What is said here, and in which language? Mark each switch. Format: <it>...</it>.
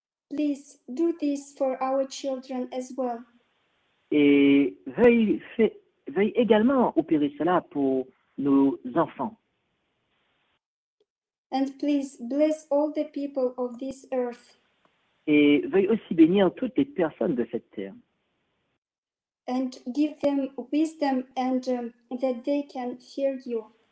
<en>Please do this for our children as well.</en> <fr>Et veuille également opérer cela pour nos enfants.</fr> <en>And please bless all the people of this earth.</en> <fr>Et veuille aussi bénir toutes les personnes de cette terre.</fr> <en>And give them wisdom and that they can fear you.</en>